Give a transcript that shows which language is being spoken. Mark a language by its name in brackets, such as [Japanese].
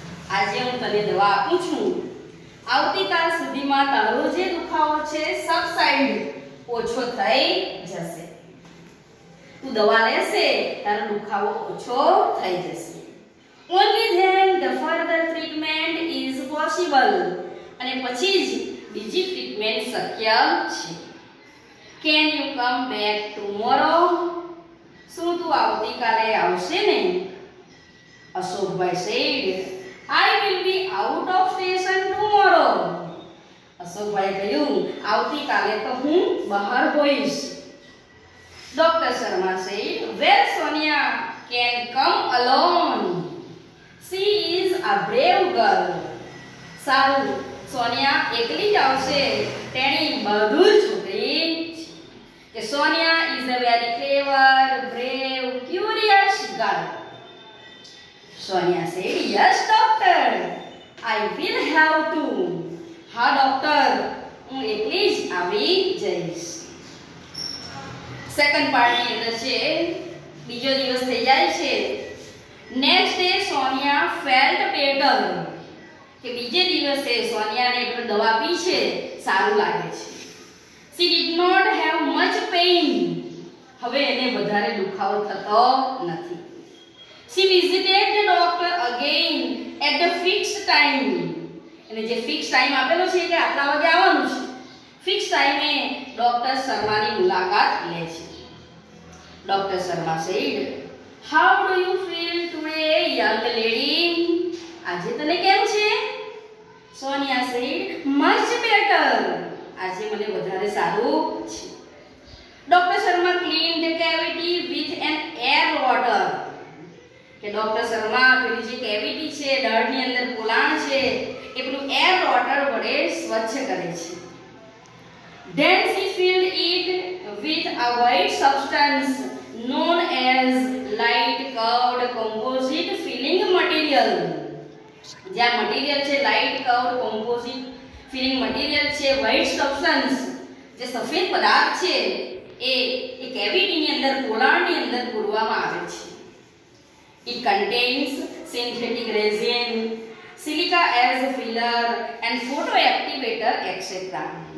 [Gujarati] આજે હું તને દવા આપું છું, આવતીકાલ સુધીમાં તારો જે દુખાવો છે સબસાઇડ ઓછો થઈ જશે. તું દવા લેશે તારો દુખાવો ઓછો થઈ જશે. [English] Only then the further treatment is possible. [Gujarati] અને પછી જ બીજી ટ્રીટમેન્ટ શક્ય છે. [English] Can you come back tomorrow? [Gujarati] શું તું આવતીકાલે આવશે ને? [English] Ashokbhai said, I will be out of station tomorrow. [Gujarati] અશોકભાઈ કહ્યું, આવતીકાલે તો હું બહાર હોઈશ. [English] Doctor Sharma said, Well, Sonia can come alone. She is a brave girl. [Gujarati] સારું, સોનિયા એકલી જ આવશે, તેણે બધું જ ઉકેલી. [English] Sonia is a very clever, brave, curious girl. Sonia said, Yes, doctor, I will have to. Ha, doctor, [Gujarati] હું એકલી જ આવી જઈશ. Second part ની અંદર છે, બીજો દિવસ થઈ જાય છે. [English] Next day, Sonia felt better. [Gujarati] કે બીજે દિવસે સોનિયાને પણ દવા પી છે, સારું લાગે છે. [English] She did not have much pain. [Gujarati] હવે એને વધારે દુખાવો થતો નથી. [English] She visited the doctor again at the fixed time. [Gujarati] એને જે ફિક્સ ટાઈમ આપેલો છે કે આટલા વાગે આવવાનું છે. ફિક્સ ટાઈમે ડોક્ટર શર્માની મુલાકાત લે છે. [English] Doctor Sharma said, How do you feel today, young lady? [Gujarati] આજે તને કેમ છે? Sonia sad, [English] Much better. [Gujarati] આજે મને વધારે સારું છે. [English] Doctor Sharma clean the cavity with an air water. [Gujarati] કે ડોક્ટર શર્મા પેલી જે કેવિટી છે દળની અંદર પોલાણ છે એ બધું એર વોટર વડે સ્વચ્છ કરે છે. [English] Then she filled it with a white substance known as light curved composite filling material. [Gujarati] જ્યાં મટીરીયલ છે light cover composite feeling material છે વ્હાઇટ સબસ્ટન્સ જે સફેદ પદાર્થ છે એ એ કેવિટીની અંદર પોલાણની અંદર પૂરવામાં આવે છે. [English] It contains synthetic resin silica as filler and photo activator etcetera.